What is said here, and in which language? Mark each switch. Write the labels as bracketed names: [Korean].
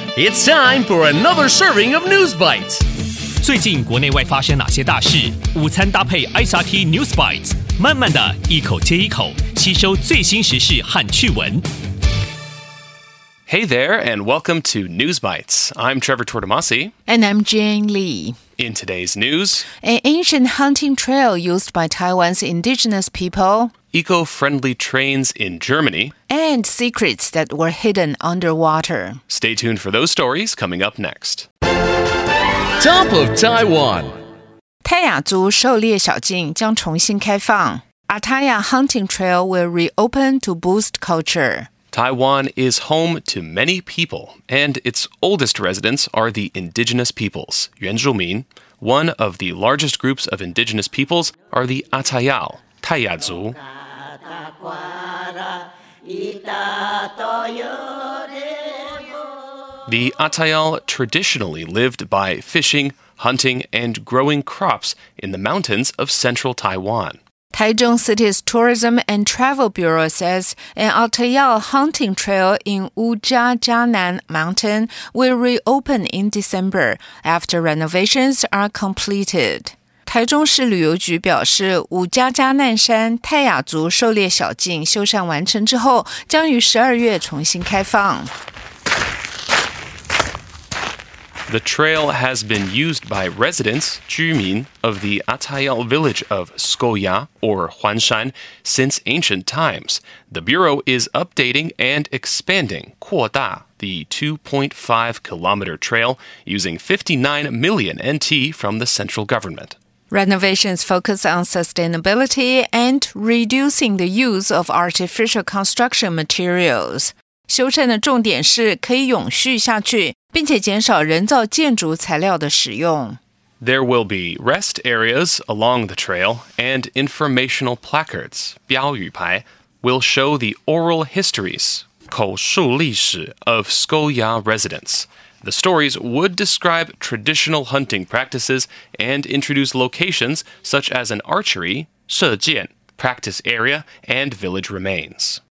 [English] It's time for another serving of News Bites. [Chinese] 最近国内外发生哪些大事？午餐搭配 SRT News Bites， 慢慢的一口接一口，吸收最新时事和趣闻。 [English] Hey there, and welcome to News Bites. I'm Trevor Tortomasi. And I'm Jane Lee. In today's news, an ancient hunting trail used by Taiwan's indigenous people, eco-friendly trains in Germany, and secrets that were hidden underwater. Stay tuned for those stories coming up next. Top of Taiwan. [Chinese] 泰雅族狩猎小径将重新开放。 [English] Ataya Hunting Trail will reopen to boost culture. Taiwan is home to many people, and its oldest residents are the indigenous peoples, 原住民. One of the largest groups of indigenous peoples are the Atayal, 泰雅族. The Atayal traditionally lived by fishing, hunting, and growing crops in the mountains of central Taiwan. Taichung City's Tourism and Travel Bureau says an Atayal hunting trail in Wujia Jianan Mountain will reopen in December after renovations are completed. [Chinese] 台中市旅游局表示，五家加难山泰雅族狩猎小径修缮完成之后，将于12月重新开放。 [English] The trail has been used by residents, 居民, of the Atayal village of Skoya, or Huanshan, since ancient times. The bureau is updating and expanding, 扩大, the 2.5-kilometer trail, using 59 million NT from the central government. Renovations focus on sustainability and reducing the use of artificial construction materials. [Chinese] 修缮的重点是可以永续下去，并且减少人造建筑材料的使用。 [English] There will be rest areas along the trail, and informational placards, 标语牌, will show the oral histories, 口述历史, of Skoya residents. The stories would describe traditional hunting practices and introduce locations such as an archery, 射箭, practice area, and village remains.